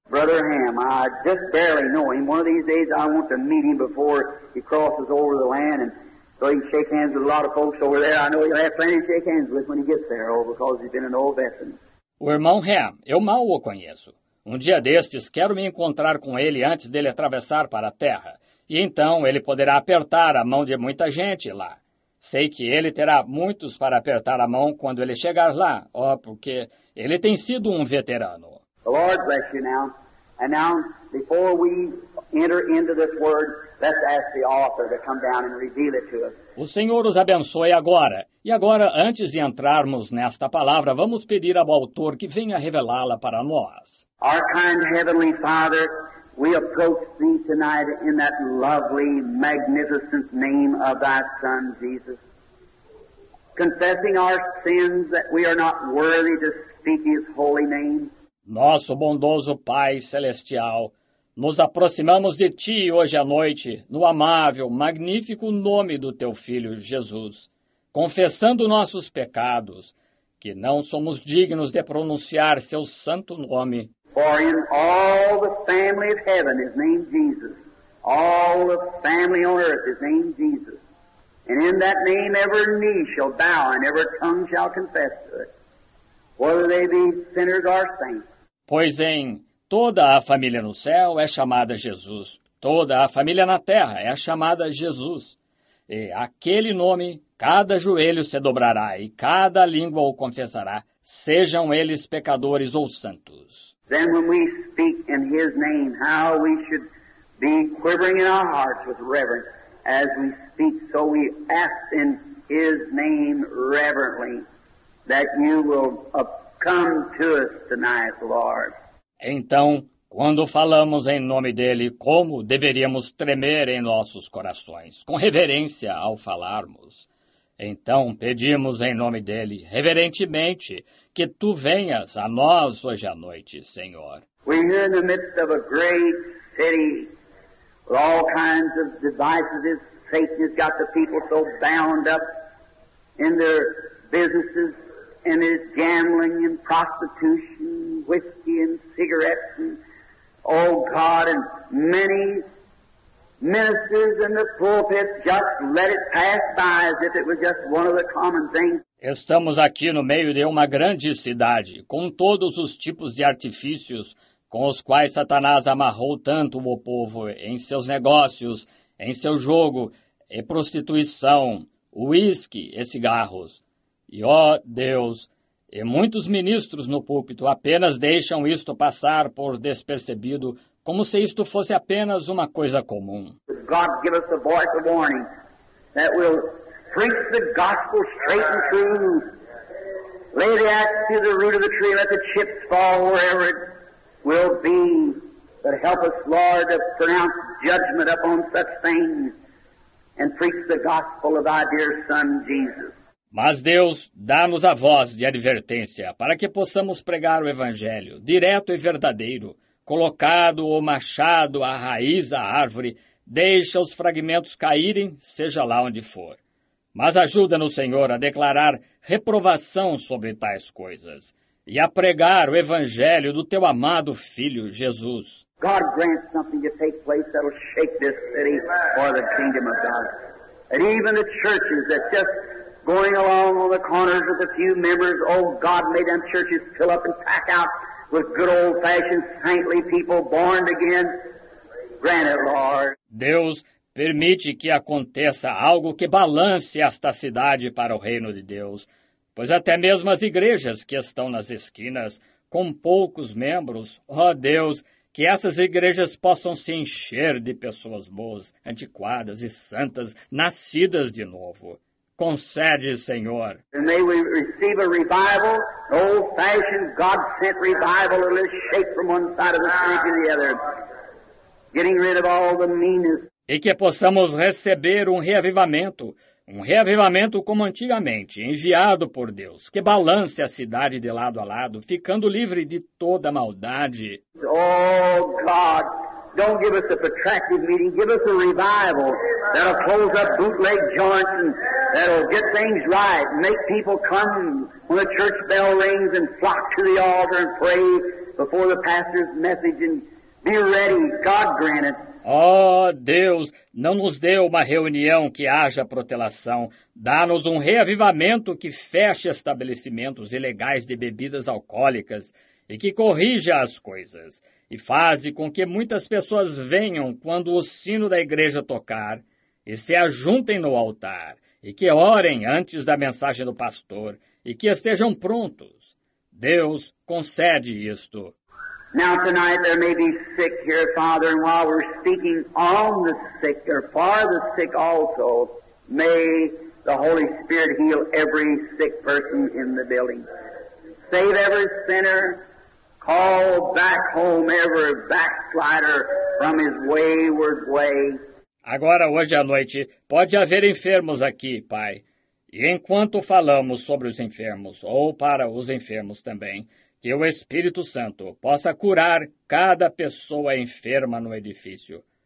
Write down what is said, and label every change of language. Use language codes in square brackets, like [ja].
[en] Brother Ham, I just barely know him. One of these days I want to meet him before he crosses over the land, and so he can shake hands with a lot of folks over there. I know he'll have plenty to shake hands with when he gets there, oh, because he's been an old veteran. [pt] O irmão Ham, eu mal o conheço. Um dia destes, quero me encontrar com ele antes dele atravessar para a terra. E então ele poderá apertar a mão de muita gente lá. Sei que ele terá muitos para apertar a mão quando ele chegar lá, ó, porque ele tem sido um veterano. [en] The Lord bless you now. And now, before we enter into this word, let's ask the author to come down and reveal it to us. [pt] O Senhor os abençoe agora. E agora, antes de entrarmos nesta palavra, vamos pedir ao autor que venha revelá-la para nós. [en] Our kind Heavenly Father, we approach thee tonight in that lovely, magnificent name of thy Son, Jesus. Confessing our sins that we are not worthy to speak his holy name. [pt] Nosso bondoso Pai Celestial, nos aproximamos de Ti hoje à noite, no amável, magnífico nome do Teu Filho Jesus, confessando nossos pecados, que não somos dignos de pronunciar Seu Santo Nome. [en] For in all the family of heaven is named Jesus, all the family on earth is named Jesus, and in that name every knee shall bow and every tongue shall confess to it. Whether they be sinners or saints. [pt] Pois em toda a família no céu é chamada Jesus, toda a família na terra é chamada Jesus. E aquele nome, cada joelho se dobrará e cada língua o confessará, sejam eles pecadores ou santos. [en] Then when we speak in his name, how we should be quivering in our hearts with reverence as we speak, so we ask in his name reverently. That you will come to us tonight, Lord. [pt] Então, quando falamos em nome dele, como deveríamos tremer em nossos corações, com reverência ao falarmos. Então, pedimos em nome dele, reverentemente, que tu venhas a nós hoje à noite, Senhor. [en] We're here in the midst of a great city, with all kinds of devices. Satan has got the people so bound up in their businesses. And it's gambling and prostitution, whiskey and cigarettes, and oh God, and many ministers in the pulpit just let it pass by as if it was just one of the common things. [pt] Estamos aqui no meio de uma grande cidade, com todos os tipos de artifícios com os quais Satanás amarrou tanto o povo em seus negócios, em seu jogo, e prostituição, uísque e cigarros. E, ó Deus, e muitos ministros no púlpito apenas deixam isto passar por despercebido, como se isto fosse apenas uma coisa comum. [en] God give us a voice of warning that will preach the gospel straight and true. Lay the axe to the root of the tree, let the chips fall wherever it will be. But help us, Lord, to pronounce judgment upon such things and preach the gospel of thy dear Son, Jesus. [pt] Mas Deus, dá-nos a voz de advertência para que possamos pregar o Evangelho, direto e verdadeiro, colocado o machado à raiz da árvore, deixa os fragmentos caírem, seja lá onde for. Mas ajuda-nos, Senhor, a declarar reprovação sobre tais coisas e a pregar o Evangelho do Teu amado Filho Jesus. [en] God grant something to take place that will shake this city for the kingdom of God. And even the churches that just going along on the corners with a few members, oh God, may them churches fill up and pack out with good old-fashioned saintly people born again. Grant it, Lord. [pt] Deus, permite que aconteça algo que balance esta cidade para o reino de Deus, pois até mesmo as igrejas que estão nas esquinas, com poucos membros, oh Deus, que essas igrejas possam se encher de pessoas boas, antiquadas e santas, nascidas de novo. Concede, Senhor. [en] And may we receive a revival, an old-fashioned, God-sent revival, a little shake from one side of the street to the other, getting rid of all the meanness. [pt] E que possamos receber um reavivamento como antigamente, enviado por Deus, que balance a cidade de lado a lado, ficando livre de toda maldade. [en] Oh, God. Don't give us a protracted meeting. Give us a revival that'll close up bootleg joints and that'll get things right, make people come when the church bell rings and flock to the altar and pray before the pastor's message and be ready, God grant it. [pt] Oh, Deus, não nos dê uma reunião que haja protelação. Dá-nos um reavivamento que feche estabelecimentos ilegais de bebidas alcoólicas e que corrija as coisas. E faze com que muitas pessoas venham quando o sino da igreja tocar e se ajuntem no altar e que orem antes da mensagem do pastor e que estejam prontos. Deus concede isto. [en] Now tonight there may be sick here, Father, and while we're speaking on the sick or for the sick also, may the Holy Spirit heal every sick person in the building. Save every sinner. Call back home every backslider from his wayward way. [pt] Agora, hoje à noite, pode haver enfermos aqui, Pai. E enquanto falamos sobre os enfermos, ou para os enfermos também, que o Espírito Santo possa curar cada pessoa enferma no edifício.